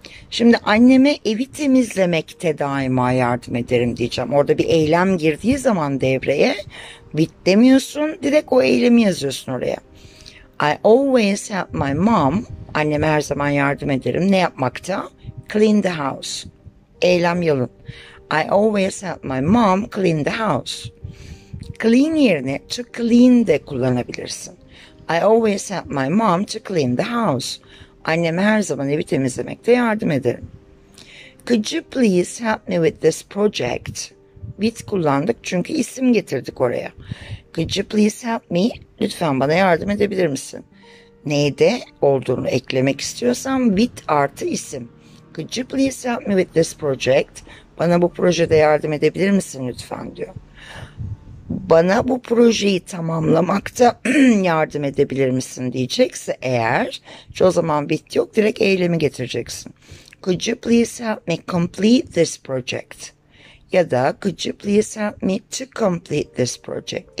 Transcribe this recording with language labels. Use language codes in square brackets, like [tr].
[tr] Şimdi anneme evi temizlemekte daima yardım ederim diyeceğim. Orada bir eylem girdiği zaman devreye with demiyorsun, direkt o eylemi yazıyorsun oraya. [en] I always help my mom, [tr] anneme her zaman yardım ederim. Ne yapmakta? [en] Clean the house. [tr] Eylem yalın. [en] I always help my mom clean the house. Clean [tr] yerine to clean de kullanabilirsin. [en] I always help my mom to clean the house. [tr] Anneme her zaman evi temizlemekte yardım ederim. [en] Could you please help me with this project? [tr] With kullandık çünkü isim getirdik oraya. [en] Could you please help me? [tr] Lütfen bana yardım edebilir misin? Neyde olduğunu eklemek istiyorsam with artı isim. [en] Could you please help me with this project? [tr] Bana bu projede yardım edebilir misin lütfen diyor. Bana bu projeyi tamamlamakta yardım edebilir misin diyecekse eğer, o zaman bit yok, direkt eylemi getireceksin. [en] Could you please help me complete this project? [tr] Ya da [en] could you please help me to complete this project?